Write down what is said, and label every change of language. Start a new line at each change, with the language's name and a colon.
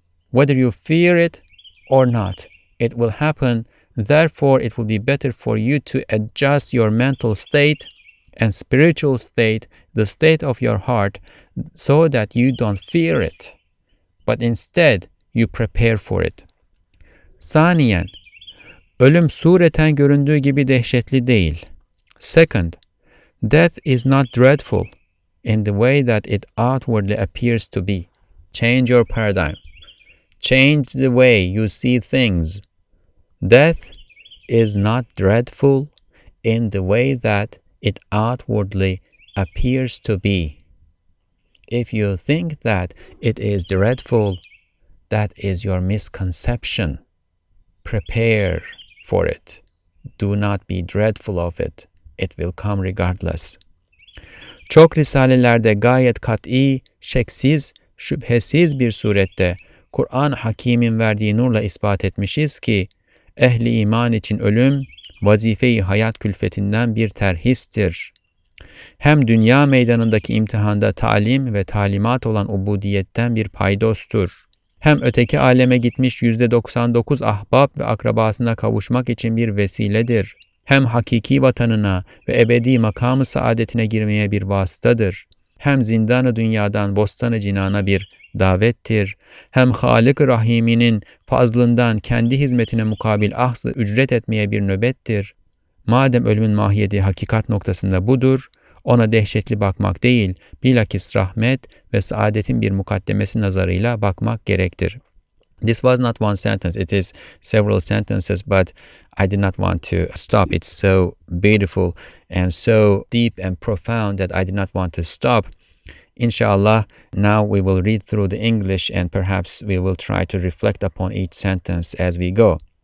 English: Whether you fear it or not, it will happen. Therefore, it will be better for you to adjust your mental state and spiritual state, the state of your heart, so that you don't fear it, but instead you prepare for it.
Turkish: Saniyen, ölüm sureten göründüğü gibi dehşetli değil.
English: Second, death is not dreadful in the way that it outwardly appears to be. Change your paradigm. Change the way you see things. Death is not dreadful in the way that it outwardly appears to be. If you think that it is dreadful, that is your misconception. Prepare for it. Do not be dreadful of it. It will come regardless.
Turkish: Çok risalelerde gayet kat'i, şeksiz, şüphesiz bir surette Kur'an Hakimin verdiği nurla ispat etmişiz ki ehli iman için ölüm vazife-i hayat külfetinden bir terhistir. Hem dünya meydanındaki imtihanda talim ve talimat olan ubudiyetten bir paydostur. Hem öteki aleme gitmiş %99 ahbap ve akrabasına kavuşmak için bir vesiledir. Hem hakiki vatanına ve ebedi makamı saadetine girmeye bir vasıtadır. Hem zindanı dünyadan bostanı cinana bir davettir. Hem Halık-ı Rahim'inin fazlından kendi hizmetine mukabil ahz-ı ücret etmeye bir nöbettir. Madem ölümün mahiyeti hakikat noktasında budur, ona dehşetli bakmak değil, bilakis rahmet ve saadetin bir mukaddemesi nazarıyla bakmak gerektir.
English: This was not one sentence, it is several sentences, but I did not want to stop. It's so beautiful and so deep and profound that I did not want to stop. Inshallah, now we will read through the English and perhaps we will try to reflect upon each sentence as we go.